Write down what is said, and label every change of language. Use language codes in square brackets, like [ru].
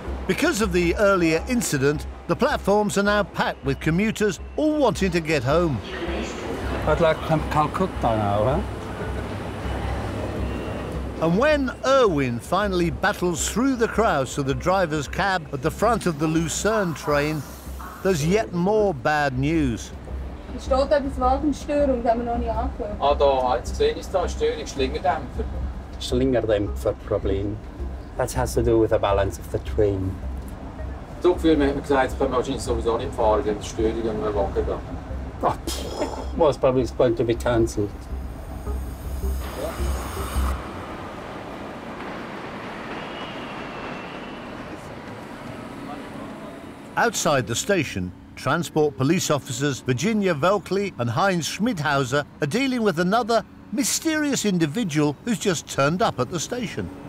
[en] Because of the earlier incident, the platforms are now packed with commuters all wanting to get home. But like Kolkata now, huh? And when Irwin finally battles through the crowds to the driver's cab at the front of the Lucerne train, there's yet more bad news. [de] Es steht etwas Wagenstörung, das haben wir noch nicht angehört. Ah, da, jetzt sehe ich es, Störung, Schlingerdämpfer. Schlingerdämpfer-Problem. [en] That has to do with the balance of the train. [de] Zugführer hat mir gesagt, sie können wahrscheinlich sowieso nicht fahren, denn die Störung an einem Wagen da. [en] Ach, well, it's probably going to be cancelled. Outside the station, transport police officers Virginia Velkley and Heinz Schmidhauser are dealing with another mysterious individual who's just turned up at the station.